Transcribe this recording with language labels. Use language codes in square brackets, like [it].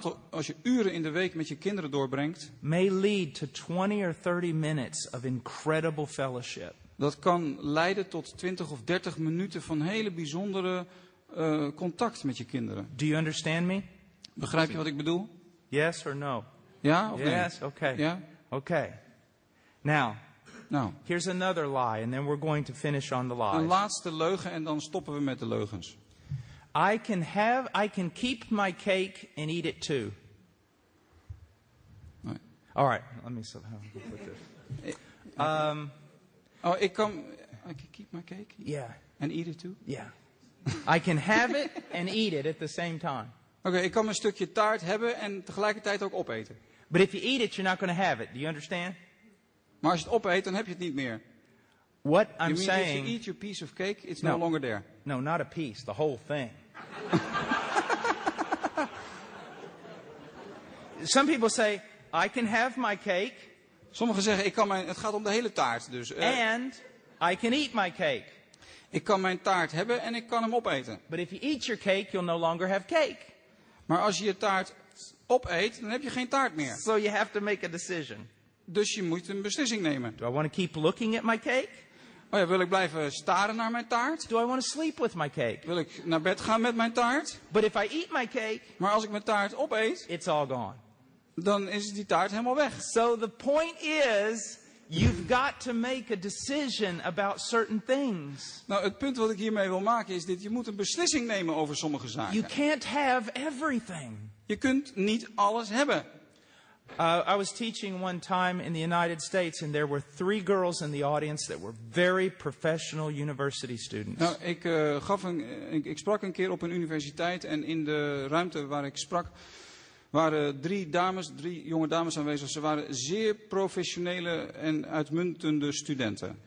[nl] Als je uren in de week met je kinderen doorbrengt, [en] may lead to 20 or 30 minutes of incredible fellowship. [nl] Dat kan leiden tot 20 of 30 minuten van hele bijzondere contact met je kinderen. [en] Do you understand me? [nl] Begrijp je wat ik bedoel? [en] Yes or no? [nl] Ja of nee? [en] Yes, okay. [nl] Ja? [en] Okay. Now, [nl] nou, [en] here's another lie and then we're going to finish on the lies. [nl] Een laatste leugen en dan stoppen we met de leugens. [en] I can keep my cake and eat it too. [nl] Nee. [en] All right, let me see how I put this. Oh, I can keep my cake? Yeah. And eat it too? Yeah. I can have it and eat it at the same time. [nl] Okay, ik kan een stukje taart hebben en tegelijkertijd ook opeten. [en] But if you eat it, you're not going to have it. Do you understand? [nl] Maar als je het opeet, dan heb je het niet meer. [en] What I'm you saying... If you eat your piece of cake, it's no longer there. No, not a piece. The whole thing. Some people say, I can have my cake... [nl] Sommigen zeggen, het gaat om de hele taart. Dus, [en] And I can eat my cake. [nl] Ik kan mijn taart hebben en ik kan hem opeten. [en] But if you eat your cake, you'll no longer have cake. [nl] Maar als je je taart opeet, dan heb je geen taart meer. [en] So you have to make a decision. [nl] Dus je moet een beslissing nemen. [en] Do I want to keep looking at my cake? [nl] Oh ja, wil ik blijven staren naar mijn taart? [en] Do I want to sleep with my cake? [nl] Wil ik naar bed gaan met mijn taart? [en] But if I eat my cake, [nl] maar als ik mijn taart opeet, [en] it's all gone. [nl] Dan is die taart helemaal weg. [en] So the point is, you've got to make a decision about certain things. [nl] Nou, het punt wat ik hiermee wil maken is dit: je moet een beslissing nemen over sommige zaken. [en] You can't have everything. [nl] Je kunt niet alles hebben. [en] I was teaching one time in the United States, and there were 3 girls in the audience that were very professional university students. [nl] Nou, ik sprak een keer op een universiteit, en in de ruimte waar ik sprak. Waren 3 jonge dames aanwezig. Ze waren zeer professionele en uitmuntende studenten.